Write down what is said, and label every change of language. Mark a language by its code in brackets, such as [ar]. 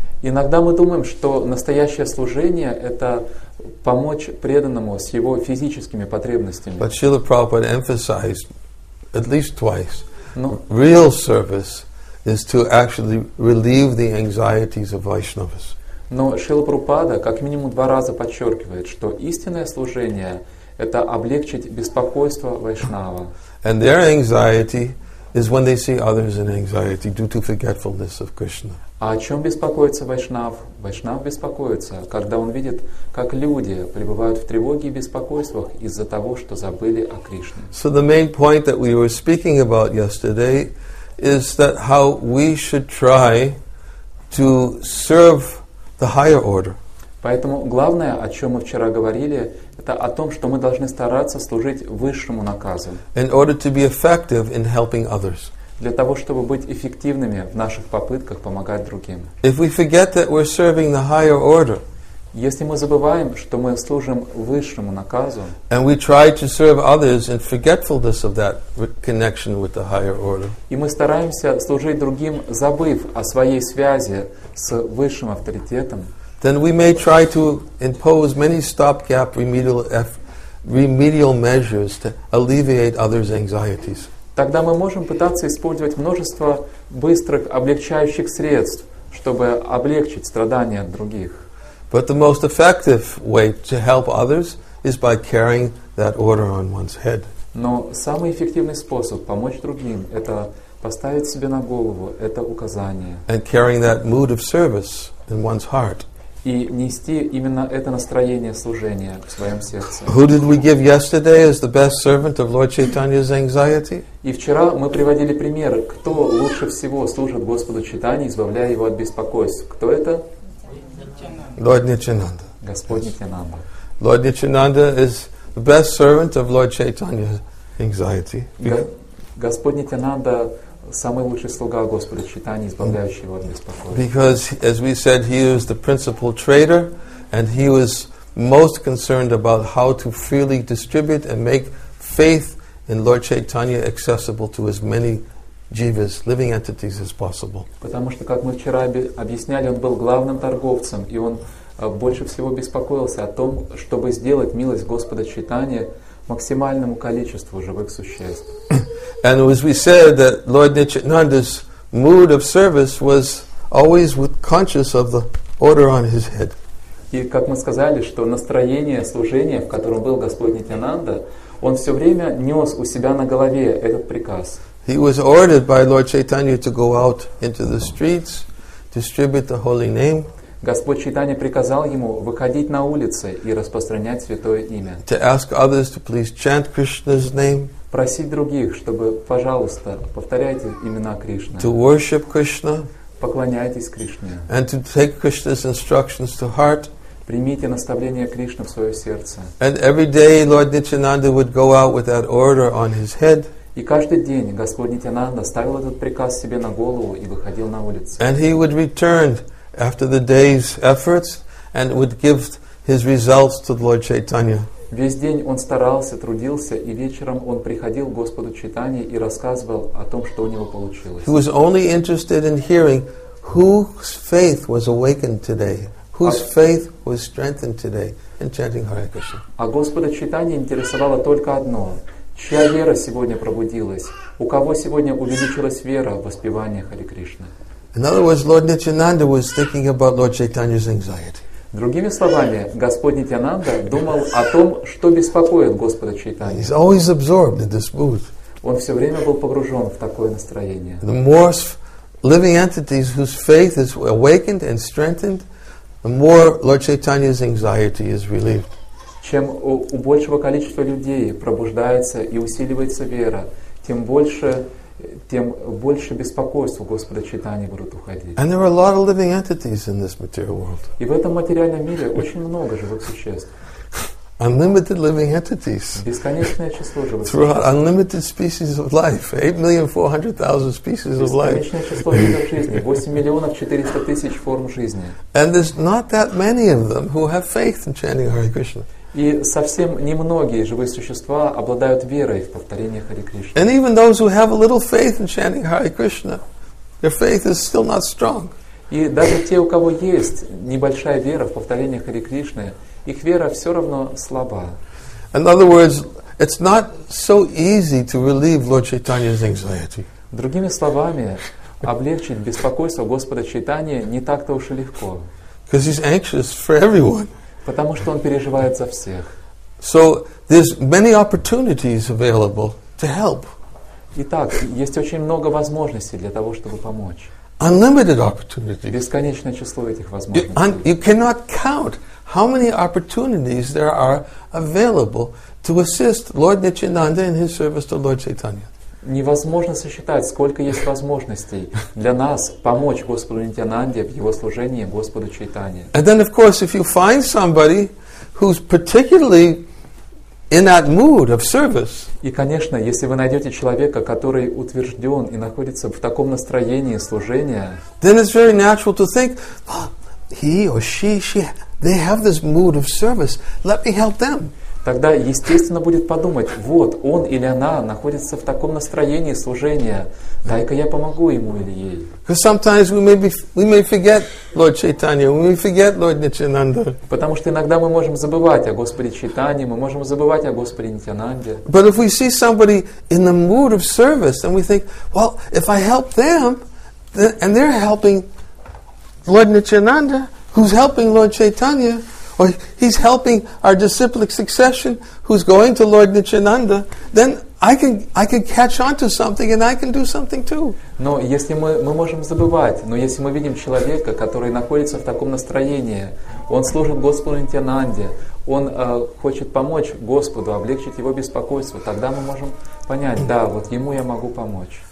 [ru] Иногда мы думаем, что настоящее служение — это помочь преданному с его физическими потребностями. [en] But Srila Prabhupada emphasized at least twice, real service is to actually relieve the anxieties of Vaishnavas. [ru] Но Шрила Прабхупада как минимум два раза подчеркивает, что истинное служение — это облегчить беспокойство Вайшнава. [en] And their anxiety is when they see others in anxiety due to forgetfulness of Krishna. [ru] А о чем беспокоится Вайшнав? Вайшнав беспокоится, когда он видит, как люди пребывают в тревоге и беспокойствах из-за того, что забыли о Кришне. [en] So the main point that we were speaking about yesterday is that how we should try to serve the higher order. [ru] Поэтому главное, о чем мы вчера говорили, это о том, что мы должны стараться служить высшему наказу. [en] In order to be effective in helping others. [ru] Для того, чтобы быть эффективными в наших попытках помогать другим. [en] If we forget that we're serving the higher order, [ru] если мы забываем, что мы служим высшему наказу, [en] and we try to serve others in forgetfulness of that connection with the higher order, [ru] и мы стараемся служить другим, забыв о своей связи с высшим авторитетом, [en] then we may try to impose many stopgap remedial measures to alleviate others' anxieties. [ru] Тогда мы можем пытаться использовать множество быстрых облегчающих средств, чтобы облегчить страдания других. [en] But the most effective way to help others is by carrying that order on one's head. [ru] Но самый эффективный способ помочь другим — это поставить себе на голову это указание. [en] And carrying that mood of service in one's heart. [ru] И нести именно это настроение служения в своем сердце. [en] Who did we give yesterday as the best servant of Lord Chaitanya's anxiety? [ru] И вчера мы приводили пример, кто лучше всего служит Господу Чайтанье, избавляя его от беспокойств. Кто это? [en] Lord Nityananda. [ru] Господь Нитянанда. [en] Lord Nityananda is the best servant of Lord Chaitanya's anxiety. [ru] Господь Нитянанда самый лучший слуга Господа Чайтаньи, избавляющий его от беспокойств. [en] Because, as we said, he was the principal trader, and he was most concerned about how to freely distribute and make faith in Lord Chaitanya accessible to as many jivas, living entities, as possible. [ru] Потому что, как мы вчера объясняли, он был главным торговцем, и он больше всего беспокоился о том, чтобы сделать милость Господа Чайтаньи максимальному количеству живых существ. [en] And as we said, that Lord Nityananda's mood of service was always conscious of the order on his head. [ru] И как мы сказали, что настроение служения, в котором был Господь Нитянанда, он все время нес у себя на голове этот приказ. [en] He was ordered by Lord Chaitanya to go out into the streets, distribute the holy name. [ru] Господь Чайтанья приказал ему выходить на улицы и распространять святое имя. [en] To ask others to please chant Krishna's name. [ru] Просить других, чтобы, пожалуйста, повторяйте имена Кришны. [en] To worship Krishna. [ru] Поклоняйтесь Кришне. [en] And to take Krishna's instructions to heart. [ru] Примите наставление Кришны в свое сердце. [en] And every day Lord Nityananda would go out with that order on his head. [ru] И каждый день Господь Нитянанда ставил этот приказ себе на голову и выходил на улицы. [en] And he would return after the day's efforts and would give his results to Lord Chaitanya. [ru] Весь день он старался, трудился, и вечером он приходил к Господу Чайтанье и рассказывал о том, что у него получилось. [en] He was only interested in hearing whose faith was awakened today, whose faith was strengthened today in chanting Hare Krishna. [ru] А Господа Чайтанье интересовало только одно: чья вера сегодня пробудилась, у кого сегодня увеличилась вера в воспевании Хари Кришны. [en] In other words, Lord Nityananda was thinking about Lord Chaitanya's anxiety. [ru] Другими словами, Господь Нитянанда думал о том, что беспокоит Господа Чайтанью. [en] He's always absorbed in this mood. [ru] Он все время был погружен в такое настроение. [en] The more living entities whose faith is awakened and strengthened, the more Lord Chaitanya's anxiety is relieved. [ru] Чем у большего количества людей пробуждается и усиливается вера, тем больше беспокойств у Господа Чайтаньи будут уходить. [en] And there are a lot of living entities in this material world. [ru] И в этом материальном мире очень много живых существ. [en] Unlimited living entities. [ru] Бесконечное число живых существ. [en] Throughout unlimited species of life. 8,400,000 species of life. [ru] Бесконечное число видов жизни. 8,400,000 форм жизни. [en] And there's not that many of them who have faith in chanting Hare Krishna. [ru] И совсем немногие живые существа обладают верой в повторение Харе Кришны. [en] And even those who have a little faith in chanting Hare Krishna, their faith is still not strong. [ru] И даже те, у кого есть небольшая вера в повторение Харе Кришны, их вера все равно слаба. [en] In other words, it's not so easy to relieve Lord Chaitanya's anxiety. [ru] Другими словами, облегчить беспокойство Господа Чайтаньи не так-то уж и легко. [en] Because he's anxious for everyone. [ru] Потому что он переживает за всех. [en] So there's many opportunities available to help. [ru] Итак, есть очень много возможностей для того, чтобы помочь. [en] Unlimited opportunities. [ru] Бесконечное число этих возможностей. [en] You cannot count how many opportunities there are available to assist Lord Nityananda in his service to Lord Chaitanya. [ru] Невозможно сосчитать, сколько есть возможностей для нас помочь Господу Нитянанде в его служении Господу Чайтанье. [en] And then, of course, if you find somebody who's particularly in that mood of service. [ru] И, конечно, если вы найдете человека, который утвержден и находится в таком настроении служения, [en] then it's very natural to think, he or she, they have this mood of service. Let me help them. [ru] Тогда, естественно, будет подумать, вот, он или она находится в таком настроении служения, дай-ка я помогу ему или ей. [en] Because sometimes we may forget Lord Chaitanya, we may forget Lord Nityananda. [ru] Потому что иногда мы можем забывать о Господе Чайтанье, мы можем забывать о Господе Нитянанде. [en] But if we see somebody in the mood of service, then we think, well, if I help them, and they're helping Lord Nityananda, who's helping Lord Chaitanya, or he's helping our disciplic succession who's going to Lord Nityananda, then I can catch on to something and I can do something too. [ru] Но если мы можем забывать, но если мы видим человека, который находится в таком настроении, он служит Господу Нитянанде, он хочет помочь Господу, облегчить его беспокойство, тогда мы можем понять, да, вот ему я могу помочь.